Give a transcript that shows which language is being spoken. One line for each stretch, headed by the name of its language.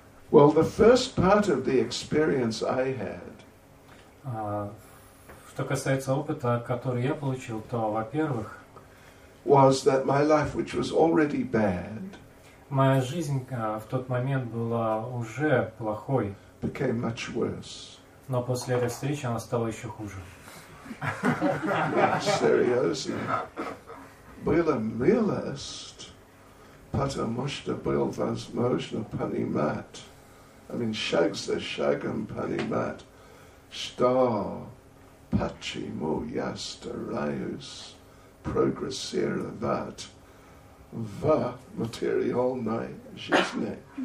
English: Well, the first part of the experience I had.
Russian: Что касается опыта, который я получил, то, во-первых,
English: was that my life, which was already bad,
Russian: моя жизнь в тот момент была уже плохой,
English: became much worse.
Russian: Но после этой встречи она стала еще хуже. Серьезно. Была милость, потому что был возможно понимать, шаг за шагом понимать, что почему я стараюсь прогрессировать в материальной жизни.